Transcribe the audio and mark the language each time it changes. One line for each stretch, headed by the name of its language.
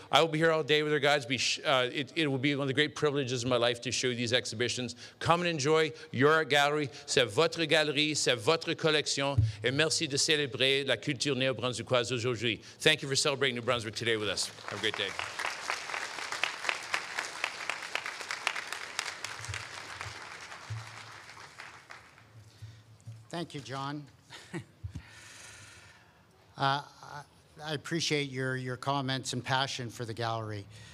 English: I will be here all day with our guides. It will be one of the great privileges of my life to show you these exhibitions. Come and enjoy your art gallery.
French: C'est votre galerie, c'est votre collection. Et merci de célébrer la culture néo-brunswickoise aujourd'hui.
English: Thank you for celebrating New Brunswick today with us. Have a great day. Thank you, John. I appreciate your comments and passion for the gallery.